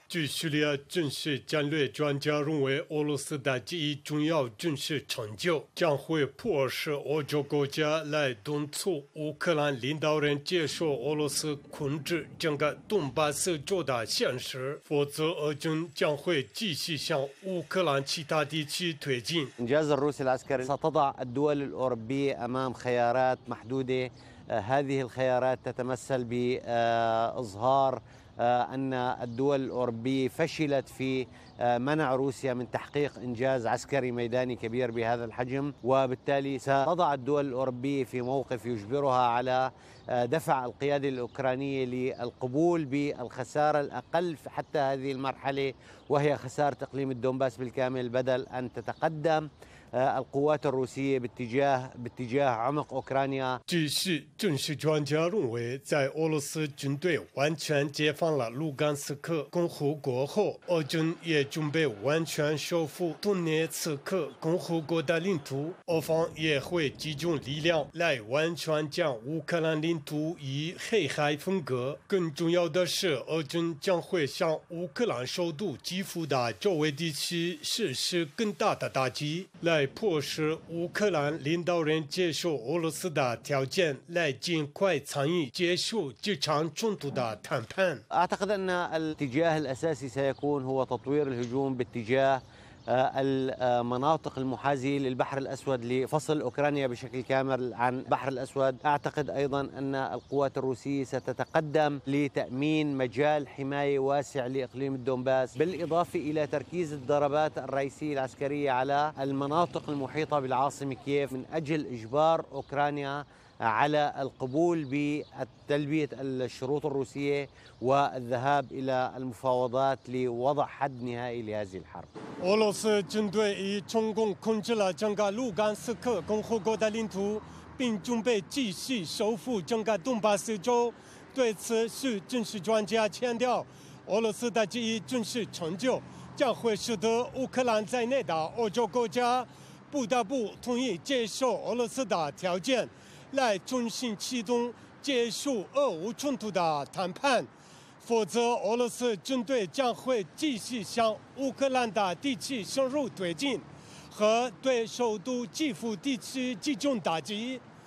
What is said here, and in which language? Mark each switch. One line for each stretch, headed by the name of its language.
Chinese: 据叙利亚军事战略专家认为，俄罗斯的这一重要军事成就将会迫使欧洲国家来敦促乌克兰领导人接受俄罗斯控制整个顿巴斯州的现实，否则俄军将会继续向乌克兰其他地区推进。
Arabic: انجاز الروسي العسكري ستضع الدول الاوروبية امام خيارات محدودة هذه الخيارات تتمثل باظهار ان الدول الاوروبية فشلت في منع روسيا من تحقيق انجاز عسكري ميداني كبير بهذا الحجم وبالتالي ستضع الدول الاوروبية في موقف يجبرها على دفع القيادة الاوكرانية للقبول بالخسارة الاقل حتى هذه المرحلة وهي خسارة اقليم الدونباس بالكامل بدل ان تتقدم القوات الروسية باتجاه عمق أوكرانيا.
Chinese: 据是军事专家认为，在俄罗斯军队完全解放了卢甘斯克共和国后，俄军也准备完全收复顿涅茨克共和国的领土。俄方也会集中力量来完全将乌克兰领土以黑海分割。更重要的是，俄军将会向乌克兰首都基辅的周围地区实施更大的打击。来迫使乌克兰领导人接受俄罗斯的条件，来尽快参与结束这场冲突的谈判。
Arabic: أعتقد أن الاتجاه الأساسي سيكون هو تطوير الهجوم باتجاه المناطق المحاذية للبحر الأسود لفصل أوكرانيا بشكل كامل عن البحر الأسود. أعتقد أيضا أن القوات الروسية ستتقدم لتأمين مجال حماية واسع لإقليم الدونباس بالإضافة إلى تركيز الضربات الرئيسية العسكرية على المناطق المحيطة بالعاصمة كييف من أجل إجبار أوكرانيا على القبول بتلبية الشروط الروسية والذهاب إلى المفاوضات لوضع حد نهائي لهذه الحرب.
Chinese: 俄罗斯军队已成功控制了整个卢甘斯克共和国的领土，并准备继续收复整个顿巴斯州。对此，叙军事专家强调，俄罗斯的这一军事成就将会使得乌克兰在内的欧洲国家不得不同意接受俄罗斯的条件，来重新启动结束俄乌冲突的谈判，否则俄罗斯军队将会继续向乌克兰的地区深入推进，和对首都基辅地区集中打击。